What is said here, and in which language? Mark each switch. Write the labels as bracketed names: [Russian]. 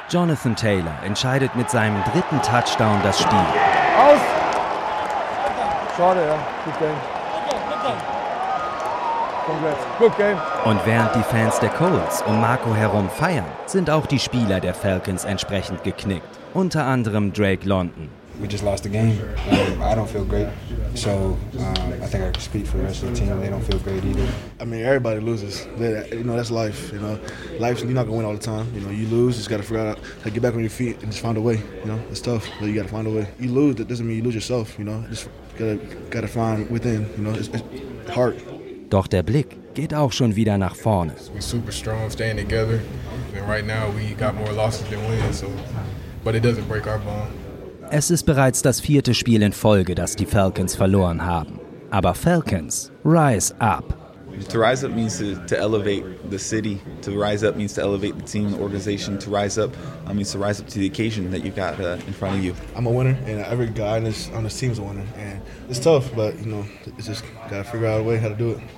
[German] Jonathan Taylor entscheidet mit seinem dritten Touchdown das Spiel. Aus! Schade, ja. [English] Good game. Congrats. Good game. [German] Und während die Fans der Colts um Marco herum feiern, sind auch die Spieler der Falcons entsprechend geknickt. Unter anderem Drake London. [English] We just lost the game. I don't feel great. So I think I can speak for the rest of the team. They don't feel great either. I mean, everybody loses. You know, that's life. You know, life, you're not going to win all the time. You know, you lose, you just got to figure out how to get back on your feet and just find a way. You know, it's tough, but you got to find a way. You lose, that doesn't mean you lose yourself. You know, just got to find within, you know, it's heart. [German] Doch der Blick geht auch schon wieder nach vorne. [English] We're super strong, staying together. And right now we got more losses than wins, so, but it doesn't break our bond. [German] Es ist bereits das vierte Spiel in Folge, das die Falcons verloren haben. [English] Aber Falcons, rise up. To rise up means to elevate the city. To rise up means to elevate the team, the organization. To rise up means to rise up to the occasion that you've got in front of you. I'm a winner, and every guy on this team is a winner. And it's tough, but, you know, it's just got to figure out a way how to do it.